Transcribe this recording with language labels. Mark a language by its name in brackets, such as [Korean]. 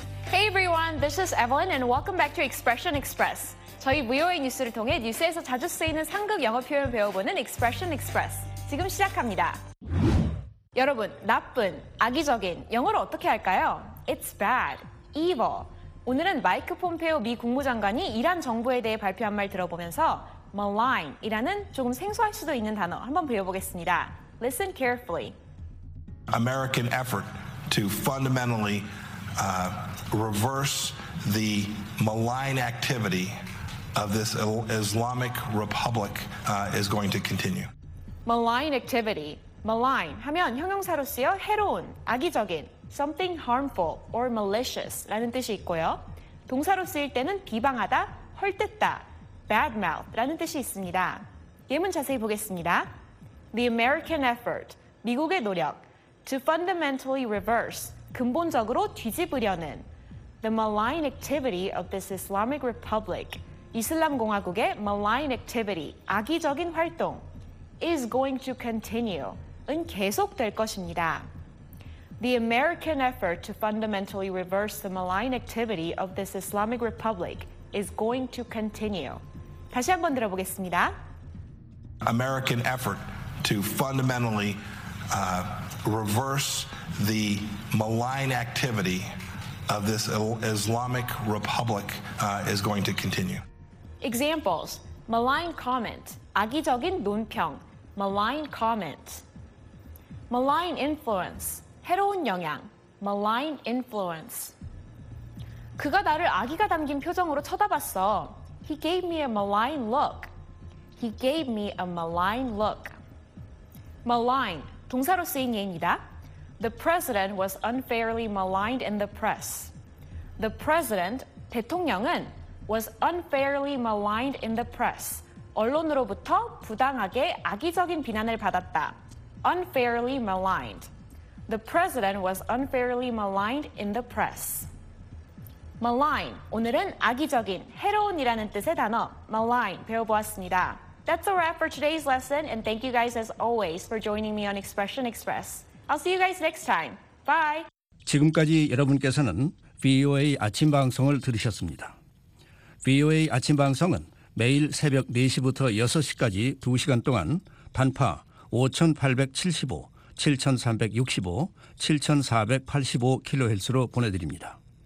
[English] Hey everyone, this is Evelyn and welcome back to Expression Express. [Korean] 저희 VOA 뉴스를 통해 뉴스에서 자주 쓰이는 상극 영어 표현 배워보는 Expression Express. 지금 시작합니다. 여러분, 나쁜, 악의적인, 영어로 어떻게 할까요? [English] It's bad, evil. [Korean] 오늘은 마이크 폼페오 미 국무장관이 이란 정부에 대해 발표한 말 들어보면서 malign이라는 조금 생소할 수도 있는 단어 한번 배워보겠습니다. [English] Listen carefully. American effort to fundamentally reverse the malign activity of this Islamic Republic is going to continue. Malign activity. [Korean] Malign 하면 형용사로 쓰여 해로운, 악의적인, [English] something harmful or malicious [Korean] 라는 뜻이 있고요. 동사로 쓰일 때는 비방하다, 헐뜯다, [English] bad mouth [Korean] 라는 뜻이 있습니다. 예문 자세히 보겠습니다. [English] The American effort, [Korean] 미국의 노력, [English] to fundamentally reverse, [Korean] 근본적으로 뒤집으려는, [English] the malign activity of this Islamic Republic, [Korean] 이슬람 공화국의 [English] malign activity, [Korean] 악의적인 활동, [English] is going to continue. [Korean] 은 계속될 것입니다. [English] The American effort to fundamentally reverse the malign activity of this Islamic Republic is going to continue. 다시 한번 들어보겠습니다. American effort to fundamentally reverse the malign activity of this Islamic Republic is going to continue. Examples. Malign comment. [Korean] 악의적인 논평. [English] Malign comment. Malign influence, [Korean] 해로운 영향, [English] malign influence. [Korean] 그가 나를 악의가 담긴 표정으로 쳐다봤어. [English] He gave me a malign look. He gave me a malign look. [Korean] Malign, 동사로 쓰인 예입니다. [English] The president was unfairly maligned in the press. The president, [Korean] 대통령은 [English] was unfairly maligned in the press. [Korean] 언론으로부터 부당하게 악의적인 비난을 받았다. [English] Unfairly maligned. The president was unfairly maligned in the press. Malign. [Korean] 오늘은 악의적인, 해로운이라는 뜻의 단어, malign, 배워보았습니다. [English] That's a wrap for today's lesson, and thank you guys as always for joining me on Expression Express. I'll see you guys next time. Bye! [Korean] 지금까지 여러분께서는 VOA 아침 방송을 들으셨습니다. VOA 아침 방송은 매일 새벽 4시부터 6시까지 2시간 동안 단파 5,875, 7,365, 7,485kHz로 보내드립니다.